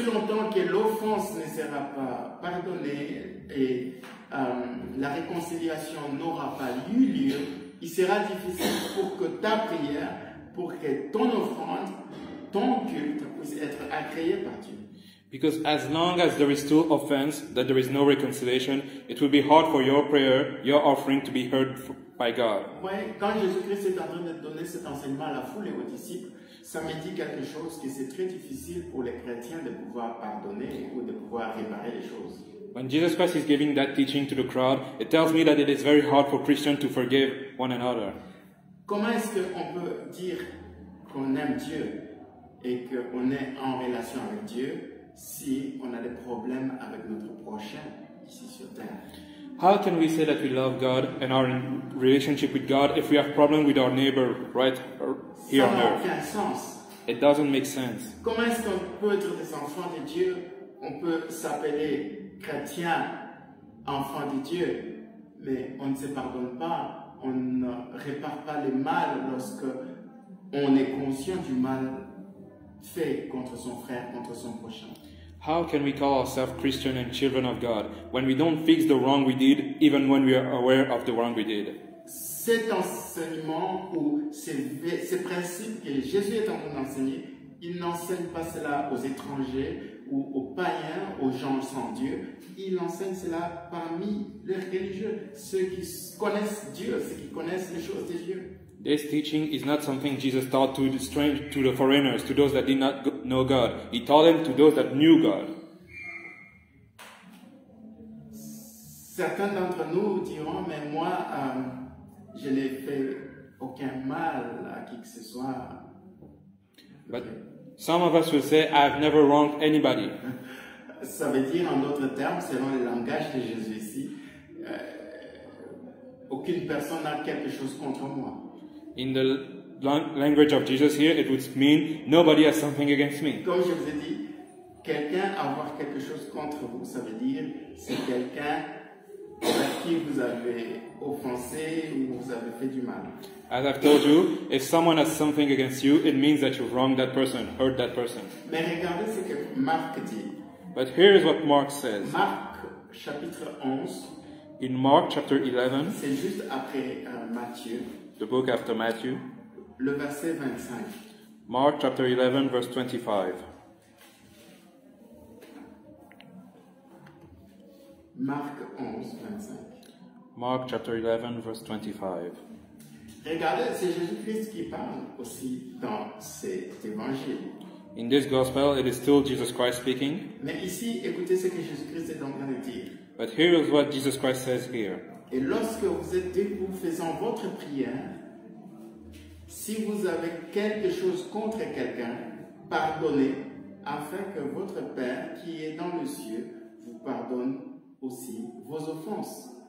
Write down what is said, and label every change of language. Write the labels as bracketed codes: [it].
[fr] aussi longtemps que l'offense ne sera pas pardonnée et la réconciliation n'aura pas eu lieu, il sera difficile pour que ta prière, pour que ton offrande, ton culte puisse être agréé par Dieu. [en] Because as long as there is still offense, that there is no reconciliation, it will be hard for your prayer, your offering to be heard by God. [fr] Oui, quand Jésus-Christ est en train de donner cet enseignement à la foule et aux disciples, ça me dit quelque chose que c'est très difficile pour les chrétiens de pouvoir pardonner ou de pouvoir réparer les choses. [en] When Jesus Christ is giving that teaching to the crowd, it tells me that it is very hard for Christians to forgive one another. [fr] Comment est-ce qu'on peut dire qu'on aime Dieu et qu'on est en relation avec Dieu si on a des problèmes avec notre prochain ici sur terre? [en] How can we say that we love God and are in relationship with God if we have problems with our neighbor right here on earth? It doesn't make sense. [fr] Comment est-ce qu'on peut être des enfants de Dieu, on peut s'appeler chrétien, enfant de Dieu, mais on ne se pardonne pas, on ne répare pas le mal lorsque on est conscient du mal fait contre son frère, contre son prochain? [en] How can we call ourselves Christian and children of God when we don't fix the wrong we did, even when we are aware of the wrong we did? [fr] Cet enseignement ou ces principes que Jésus est en train d'enseigner, il n'enseigne pas cela aux étrangers ou aux païens, aux gens sans Dieu. Il enseigne cela parmi les religieux, ceux qui connaissent Dieu, ceux qui connaissent les choses de Dieu. [en] This teaching is not something Jesus taught to the strange, to the foreigners, to those that did not know God. He taught them to those that knew God. [fr] Certains d'entre nous diront, mais moi, je n'ai fait aucun mal à qui que ce soit. [en] But some of us will say, I've never wronged anybody. [fr] Ça veut dire, en d'autres termes, selon le langage de Jésus ici, aucune personne n'a quelque chose contre moi. [en] In the language of Jesus here, it would mean nobody has something against me. [fr] Comme je vous ai dit, quelqu'un avoir quelque chose contre vous, ça veut dire c'est quelqu'un à qui vous avez offensé ou vous avez fait du mal. [en] As I've told you, if someone has something against you, it means that you've wronged that person, hurt that person. [fr] Mais regardez ce que Marc dit. [en] But here is what Mark says. [fr] Marc chapitre 11. [en] In Mark chapter 11. [fr] C'est juste après Matthieu. [en] The book after Matthew. [fr] Le verset 25. [en] Mark chapter 11, verse 25. Mark 11, 25. Mark chapter 11, verse 25. [fr] Regardez, c'est Jésus-Christ qui parle aussi dans cet évangile. [en] In this gospel, it is still Jesus Christ speaking. [fr] Mais ici, écoutez ce que Jésus-Christ est en train de dire. [en] But here is what Jesus Christ says here. [fr] Et lorsque vous êtes debout faisant votre prière, si vous avez quelque chose contre quelqu'un, pardonnez, afin que votre Père qui est dans les cieux vous pardonne aussi vos offenses.